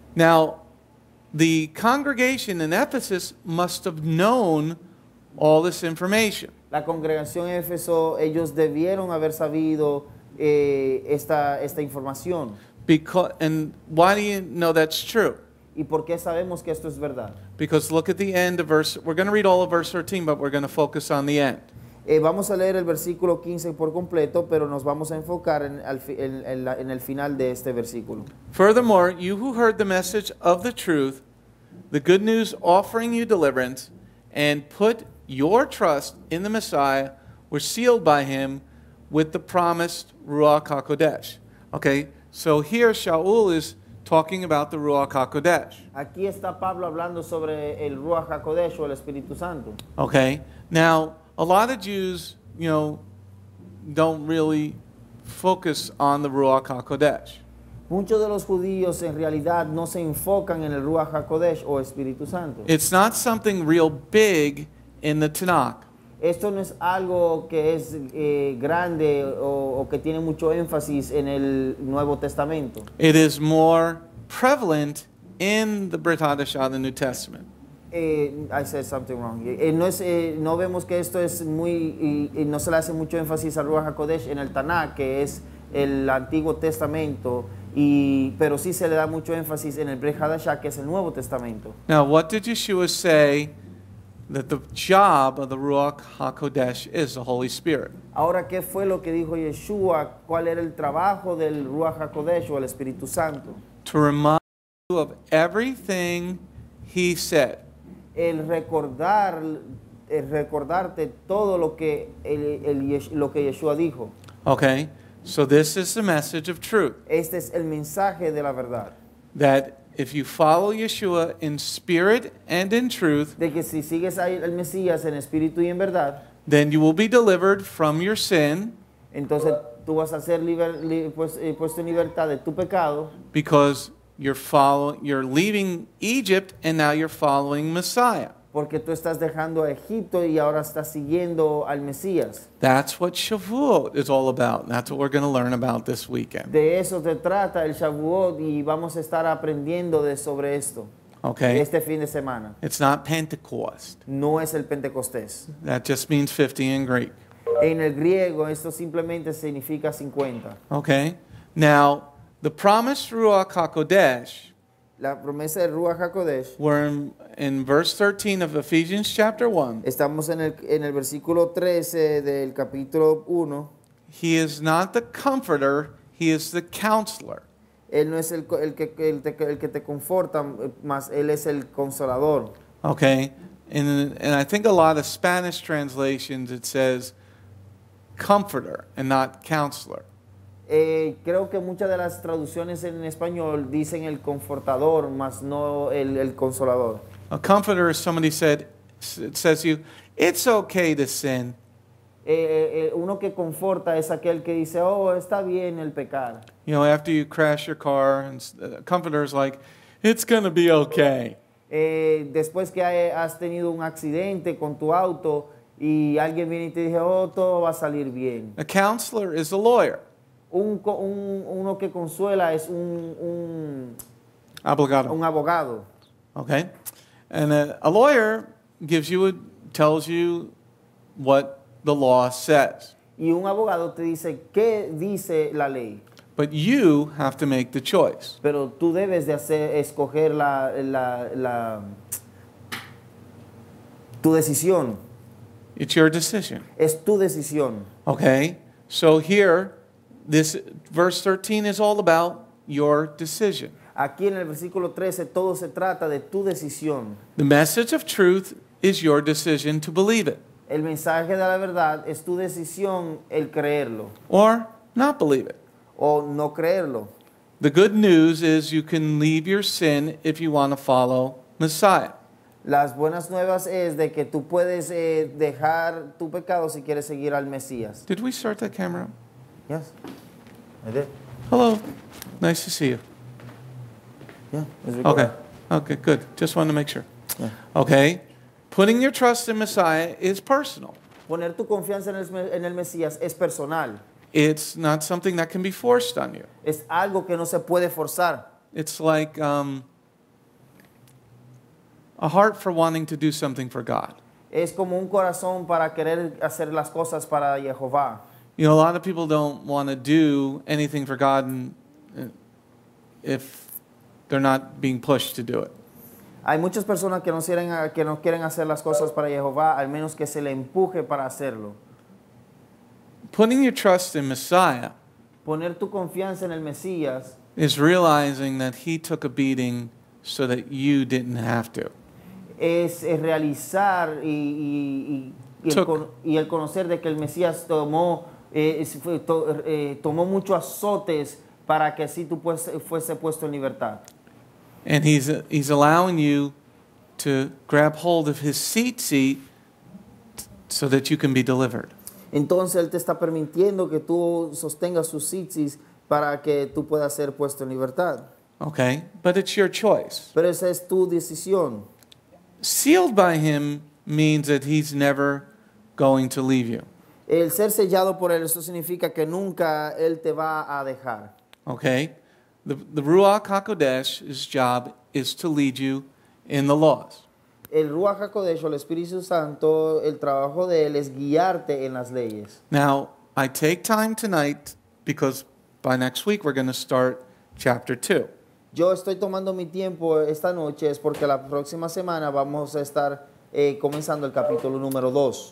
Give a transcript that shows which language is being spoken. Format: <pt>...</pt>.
<en>Now, the congregation in Ephesus must have known all this information.</en> <es>La congregación en Éfeso, ellos debieron haber sabido esta información.</es> <en>Because, and why do you know that's true?</en> <es>¿Y por qué sabemos que esto es verdad?</es> <en>Because look at the end of verse, we're going to read all of verse 13, but we're going to focus on the end.</en> <es>Vamos a leer el versículo 15 por completo, pero nos vamos a enfocar en el final de este versículo.</es> <en>Furthermore, you who heard the message of the truth, the good news offering you deliverance, and put your trust in the Messiah, were sealed by him with the promised Ruach HaKodesh. Okay, so here Sha’ul is talking about the Ruach HaKodesh.</en> <es>Aquí está Pablo hablando sobre el Ruach HaKodesh o el Espíritu Santo.</es> <en>Okay, now, a lot of Jews, you know, don't really focus on the Ruach HaKodesh.</en> <es>Muchos de los judíos en realidad no se enfocan en el Ruach HaKodesh o Espíritu Santo.</es> <en>It's not something real big in the Tanakh.</en> <es>Esto no es algo que es grande o que tiene mucho énfasis en el Nuevo Testamento.</es> <en>It is more prevalent in the Brit Hadashah, the New Testament. I said something wrong.</en> <es>No vemos que esto es muy, y no se le hace mucho énfasis al Ruach HaKodesh en el Tanakh, que es el Antiguo Testamento, y pero sí se le da mucho énfasis en el Brit Hadashah, que es el Nuevo Testamento.</es> <en>Now, what did Yeshua say that the job of the Ruach HaKodesh is the Holy Spirit?</en> <es>Ahora, ¿qué fue lo que dijo Yeshua? ¿Cuál era el trabajo del Ruach HaKodesh o el Espíritu Santo?</es> <en>To remind you of everything he said.</en> <es>El recordar, el recordarte todo lo que lo que Yeshua dijo.</es> <en>Okay, so this is the message of truth.</en> <es>Este es el mensaje de la verdad.</es> <en>That if you follow Yeshua in spirit and in truth,</en> <es>de que si sigues al Mesías en espíritu y en verdad,</es> <en>then you will be delivered from your sin.</en> <es>Entonces tú vas a ser puesto en libertad de tu pecado.</es> <en>Because you're leaving Egypt and now you're following Messiah.</en> <es>Porque tú estás dejando a Egipto y ahora estás siguiendo al Mesías.</es> <en>That's what Shavuot is all about. That's what we're going to learn about this weekend.</en> <es>De eso se trata el Shavuot y vamos a estar aprendiendo de sobre esto.</es> <en>Okay.</en> <es>Este fin de semana.</es> <en>It's not Pentecost.</en> <es>No es el Pentecostés.</es> <en>That just means 50 in Greek.</en> <es>En el griego esto simplemente significa 50.</es> <en>Okay. Now, the promised Ruach HaKodesh,</en> <es>la promesa de Ruach HaKodesh,</es> <en>we're in verse 13 of Ephesians chapter 1.</en> <es>Estamos en el versículo 13 del capítulo 1.</es> <en>He is not the comforter, he is the counselor.</en> <es>Él no es el que te conforta, más él es el consolador.</es> <en>Okay, and I think a lot of Spanish translations it says comforter and not counselor.</en> <es>Creo que muchas de las traducciones en español dicen el confortador, más no el consolador.</es> <en>A comforter is somebody said, it says you, it's okay to sin.</en> <es>Uno que conforta es aquel que dice, oh, está bien el pecar.</es> <en>You know, after you crash your car, and comforter is like, it's going to be okay.</en> <es>Después que has tenido un accidente con tu auto y alguien viene y te dice, oh, todo va a salir bien.</es> <en>A counselor is a lawyer.</en> <es>uno que consuela es un abogado. Un abogado.</es> <en>Okay. And a lawyer gives you tells you what the law says.</en> <es>Y un abogado te dice qué dice la ley.</es> <en>But you have to make the choice.</en> <es>Pero tú debes de hacer escoger la tu decisión.</es> <en>It's your decision.</en> <es>Es tu decisión.</es> <en>Okay. So here this verse 13 is all about your decision.</en> <es>Aquí en el versículo 13 todo se trata de tu decisión.</es> <en>The message of truth is your decision to believe it.</en> <es>El mensaje de la verdad es tu decisión el creerlo.</es> <en>Or not believe it.</en> <es>O no creerlo.</es> <en>The good news is you can leave your sin if you want to follow Messiah.</en> <es>Las buenas nuevas es de que tú puedes dejar tu pecado si quieres seguir al Mesías.</es> <en>Did we start the camera? Yes, I did. Hello, nice to see you. Yeah, okay. Okay, good. Just wanted to make sure. Yeah. Okay. Putting your trust in Messiah is personal.</en> <es>Poner tu confianza en el Mesías es personal.</es> <en>It's not something that can be forced on you.</en> <es>Es algo que no se puede forzar.</es> <en>It's like a heart for wanting to do something for God.</en> <es>Es como un corazón para querer hacer las cosas para Jehová.</es> <en>You know, a lot of people don't want to do anything for God if they're not being pushed to do it.</en> <es>Hay muchas personas que no quieren hacer las cosas para Jehová al menos que se le empuje para hacerlo.</es> <en>Putting your trust in Messiah,</en> <es>poner tu confianza en el Mesías,</es> <en>is realizing that he took a beating so that you didn't have to.</en> <es>Es realizar y el conocer de que el Mesías tomó muchos azotes para que así tú fuese puesto en libertad.</es> <en>And he's allowing you to grab hold of his seat so that you can be delivered.</en> <es>Entonces él te está permitiendo que tú sostengas sus seats para que tú puedas ser puesto en libertad.</es> <en>Okay, but it's your choice.</en> <es>Pero esa es tu decisión.</es> <en>Sealed by him means that he's never going to leave you.</en> <es>El ser sellado por él, eso significa que nunca él te va a dejar.</es> <en>Okay. The Ruach HaKodesh's job is to lead you in the laws.</en> <es>El Ruach HaKodesh, el Espíritu Santo, el trabajo de él es guiarte en las leyes.</es> <en>Now, I take time tonight because by next week we're going to start chapter 2.</en> <es>Yo estoy tomando mi tiempo esta noche es porque la próxima semana vamos a estar comenzando el capítulo número 2.</es>